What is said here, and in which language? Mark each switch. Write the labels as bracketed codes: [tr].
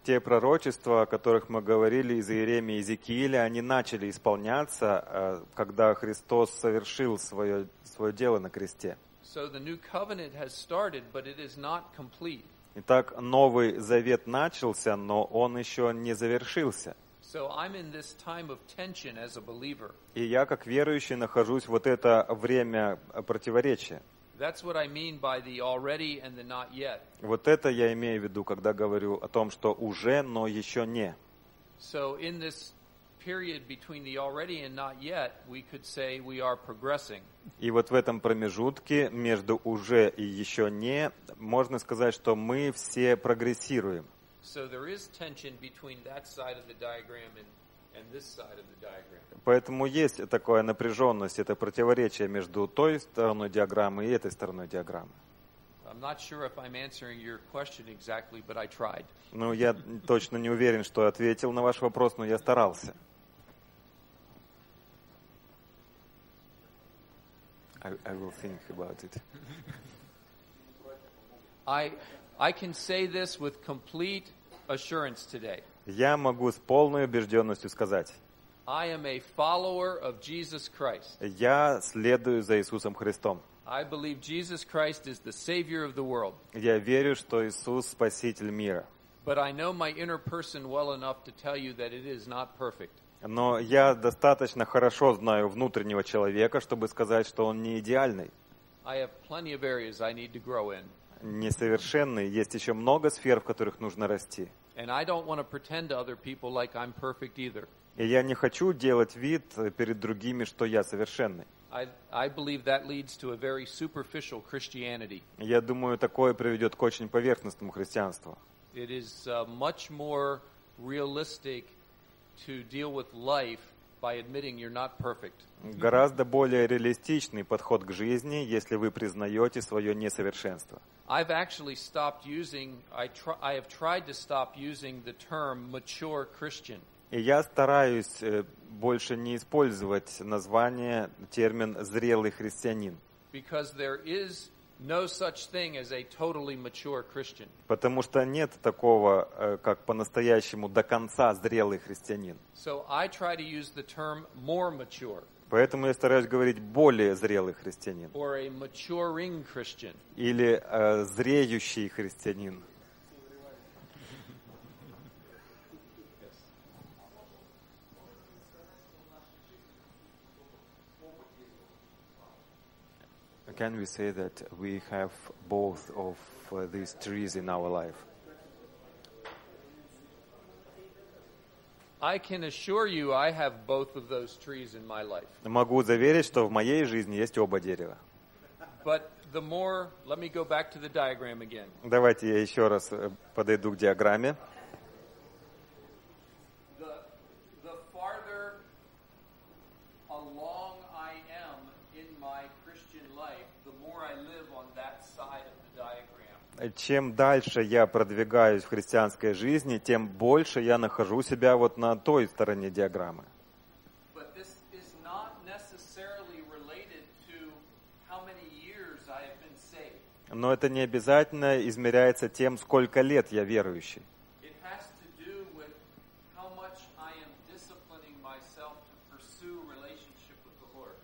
[ru] Те пророчества, о которых мы говорили из Иеремии и Иезекииля, они начали исполняться, когда Христос совершил своё дело на кресте. [en] So the new covenant has started, but it is not complete. [ru] Итак, Новый Завет начался, но он ещё не завершился. [en] So I'm in this time of tension as a believer. [ru] И я как верующий нахожусь вот это время противоречия. [en] That's what I mean by the already and the not yet. [ru] Вот это я имею в виду, когда говорю о том, что уже, но ещё не. [en] So in this period between the already and not yet, we could say we are progressing. [ru] И вот в этом промежутке между уже и ещё не, можно сказать, что мы все прогрессируем. [en] So there is tension between that side of the diagram and this side of the diagram. [ru] Поэтому есть такая напряженность, это противоречие между той стороной диаграммы и этой стороной диаграммы. [en] I'm not sure if I'm answering your question exactly, but I tried. [ru] Ну, я точно не уверен, что ответил на ваш вопрос, но я старался. [en] I will think about it. I can say this with complete assurance today. [ru] Я могу с полной убежденностью сказать. [en] I am a follower of Jesus Christ. [ru] Я следую за Иисусом Христом. [en] I believe Jesus Christ is the Savior of the world. [ru] Я верю, что Иисус Спаситель мира. [en] But I know my inner person well enough to tell you that it is not perfect. [ru] Но я достаточно хорошо знаю внутреннего человека, чтобы сказать, что он не идеальный. [en] I have plenty of areas I need to grow in. [ru] Несовершенный, есть еще много сфер, в которых нужно расти. [en] And I don't want to pretend to other people like I'm perfect either. [ru] И я не хочу делать вид перед другими, что я совершенный. [en] I believe that leads to a very superficial Christianity. [ru] Я думаю, такое приведет к очень поверхностному христианству. [en] It is much more realistic to deal with life by admitting you're not perfect. [ru] Гораздо более реалистичный подход к жизни, если вы признаете свое несовершенство. [en] I've actually stopped using, I have tried to stop using the term mature Christian. [ru] И я стараюсь больше не использовать название, термин «зрелый христианин». [en] Because there is no such thing as a totally mature Christian. [ru] Потому что нет такого, как по-настоящему до конца зрелый христианин. [en] So I try to use the term more mature. [ru] Поэтому я стараюсь говорить «более зрелый христианин». [en] Or a maturing Christian. [ru] Или «зреющий христианин». [en] can we say that we have both of these trees in our life? I can assure you I have both of those trees in my life. [ru] Могу заверить, что в моей жизни есть оба дерева. [en] But the more, let me go back to the diagram again. [ru] Давайте я ещё раз подойду к диаграмме. [en] The farther along I am in my Christian life, the more I live on that side of the diagram. [ru] Чем дальше я продвигаюсь в христианской жизни, тем больше я нахожу себя вот на той стороне диаграммы. [en] But this is not necessarily related to how many years I have been saved. [ru] Но это не обязательно измеряется тем, сколько лет я верующий. [en] It has to do with how much I am disciplining myself to pursue relationship with the Lord.